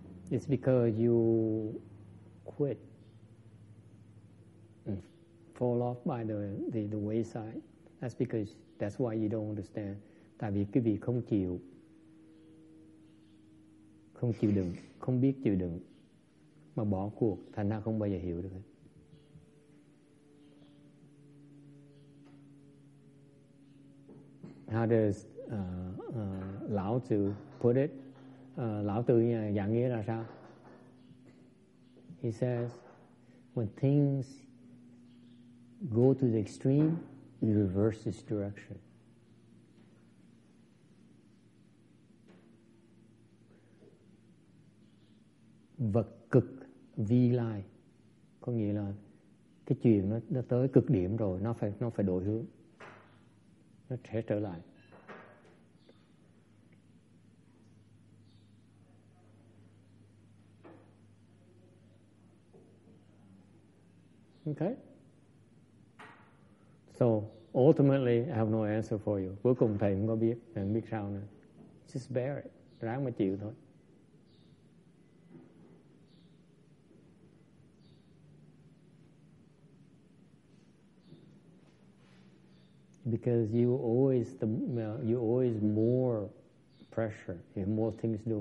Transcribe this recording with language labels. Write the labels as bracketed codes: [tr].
[en] It's because you quit and fall off by the wayside. That's because that's why you don't understand. [vi] Tại vì quý vị không chịu, không chịu đựng, không biết chịu đựng, mà bỏ cuộc, thành ra không bao giờ hiểu được. [en] How does Lão Tzu put it? [vi] Lão Tzu giảng nghĩa là sao? [en] He says, when things go to the extreme, you reverse its direction. [vi] Vật cực vi lai, có nghĩa là cái chuyện nó tới cực điểm rồi, nó phải đổi hướng, nó sẽ trở lại. [en] Okay. So ultimately, I have no answer for you. [vi] Cuối cùng thầy cũng có biết, thầy không biết sao nữa. [en] Just bear it. [vi] Ráng mà chịu thôi. [en] Because you always more pressure. You have more things to do.